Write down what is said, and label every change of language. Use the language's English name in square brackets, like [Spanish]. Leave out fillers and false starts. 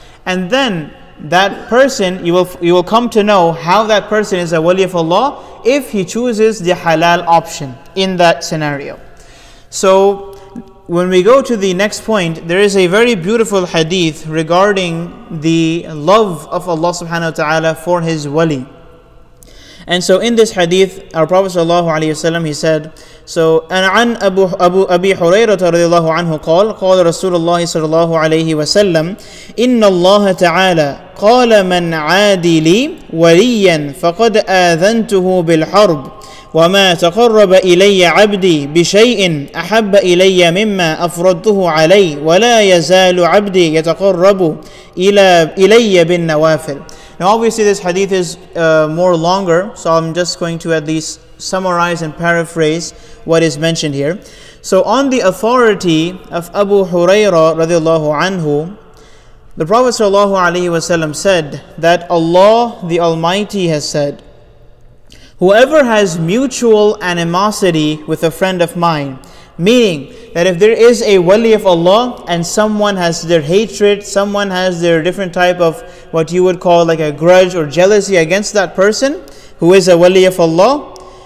[English] And then that person, you will come to know how that person is a Wali of Allah if he chooses the halal option in that scenario. So when we go to the next point, there is a very beautiful hadith regarding the love of Allah subhanahu wa ta'ala for his Wali. And so in this hadith, our Prophet sallallahu alayhi wa sallam, he said, so, and [Arabic] عن أبو أبي حريرة رضي الله عنه قال قال رسول الله صلى الله عليه وسلم إن الله تعالى قال من عادي لي وليا فقد آذنته بالحرب وما تقرب إلي عبدي بشيء أحب إلي مما أفرضته عليه ولا يزال عبدي يتقرب إلي بالنوافل. [English] Now obviously this hadith is more longer, so I'm just going to at least summarize and paraphrase what is mentioned here. So on the authority of Abu Huraira radiallahu anhu, the Prophet sallallahu alayhi wa sallam said that Allah the Almighty has said, whoever has mutual animosity with a friend of mine, meaning that if there is a Wali of Allah and someone has their hatred, someone has their different type of what you would call like a grudge or jealousy against that person who is a Wali of Allah,